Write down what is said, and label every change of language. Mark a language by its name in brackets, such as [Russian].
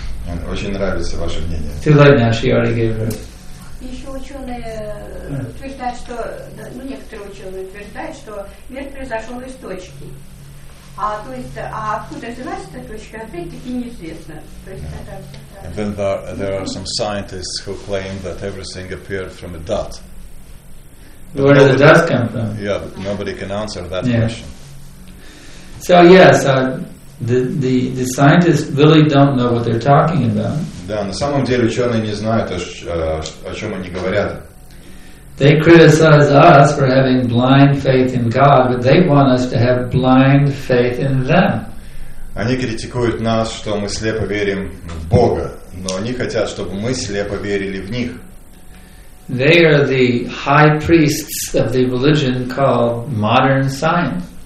[Russian] And очень нравится ваше мнение. [English] Too late now. She already gave her. [Russian] Еще ученые утверждают, что, ну, некоторые ученые утверждают, что мир произошел из точки. А то есть, а откуда взялась эта точка, опять-таки неизвестно. [English] And then there are some scientists who claim that everything appeared from a dot. But where did the dot come from? Yeah, but nobody can answer that question. So yes, the scientists really don't know what they're talking about. [Russian] Да, на самом деле ученые не знают, о чем они говорят. [English] They criticize us for having blind faith in God, but they want us to have blind faith in them. [Russian] Они критикуют нас, что мы слепо верим в Бога, но они хотят, чтобы мы слепо верили в них. [English] They are the high priests of the religion called modern science.